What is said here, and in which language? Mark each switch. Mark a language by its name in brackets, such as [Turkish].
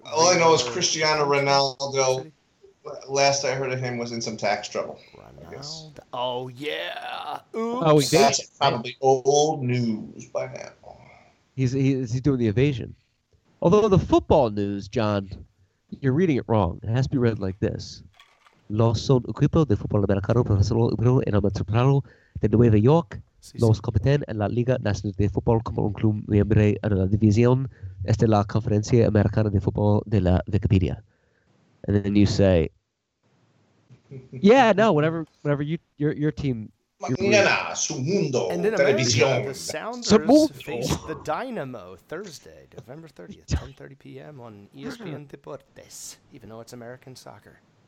[English] all I know is Cristiano Ronaldo. Last I heard of him was in some tax trouble. Oh yeah. Oops. Oh, he did. That's probably old news by now. Is he doing the evasion? Although the football news, John, you're reading it wrong. It has to be read like this. [Spanish] Los son equipo de fútbol americano profesional europeo en el metropolitano de Nueva York. Los competen en la Liga Nacional de Fútbol como un club miembro de la División de la Conferencia Americana de Fútbol de la Wikipedia. [English] And then you say, yeah, no, whatever you, your team. [Spanish] Mañana, su mundo, [English] and then [Spanish] televisión. [English] America, the Sounders face the Dynamo Thursday, November 30th, 10:30 p.m. on ESPN Deportes, even though it's American soccer.